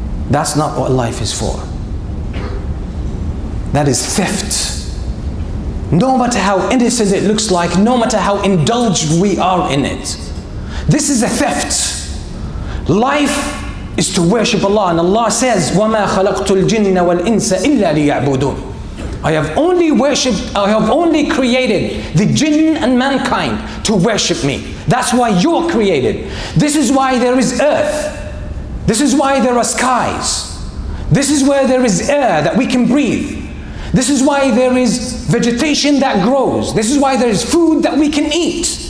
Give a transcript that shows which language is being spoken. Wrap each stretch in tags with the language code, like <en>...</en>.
<en>That's not what life is for. That is theft. No matter how innocent it looks like, no matter how indulged we are in it, this is a theft. Life is to worship Allah. And Allah says,</en> <ar>وَمَا خَلَقْتُ الْجِنَّ وَالْإِنسَ إِلَّا لِيَعْبُدُونَ.</ar> <en>I have only created the jinn and mankind to worship me. That's why you're created. This is why there is earth. This is why there are skies. This is where there is air that we can breathe. This is why there is vegetation that grows. This is why there is food that we can eat.</en>